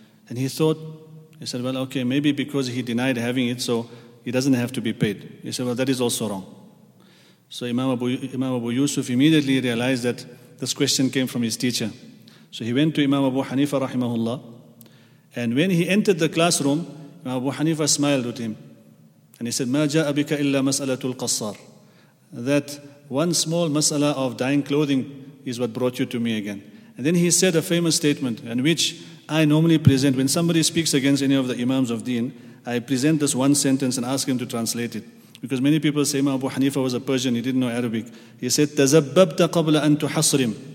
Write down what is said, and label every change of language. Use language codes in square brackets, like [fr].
[en] And he thought, he said, well, okay, maybe because he denied having it, so he doesn't have to be paid. He said, well, that is also wrong. So Imam Abu Yusuf immediately realized that this question came from his teacher. So he went to Imam Abu Hanifa rahimahullah. And when he entered the classroom, Imam Abu Hanifa smiled at him. [ar] And he said, ما جاء بك إلا مسألة القصار. [en] That one small mas'ala of dyeing clothing is what brought you to me again. And then he said a famous statement, and which I normally present when somebody speaks against any of the Imams of Deen, I present this one sentence and ask him to translate it. Because many people say Imam Abu Hanifa was a Persian, he didn't know Arabic. He said, [ar] "Tazabbabta qabla an tuhasrim."